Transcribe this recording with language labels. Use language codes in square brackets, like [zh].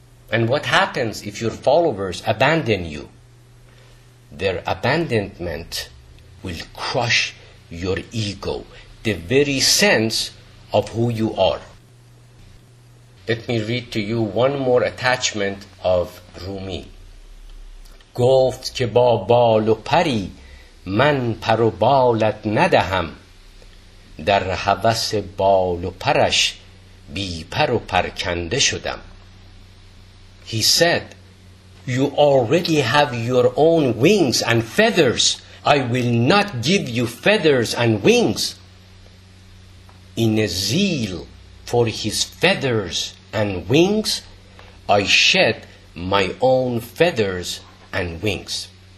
[en] And what happens if your followers abandon you? Their abandonment will crush your ego, the very sense of who you are. Let me read to you one more attachment of Rumi. [fa] گفت که با بال و پری من پر و بالت ندهم در هوس بال و پرش بی پر و پرکنده شدم. [en] He said, you already have your own wings and feathers. I will not give you feathers and wings. In a zeal for his feathers and wings, I shed my own feathers and wings.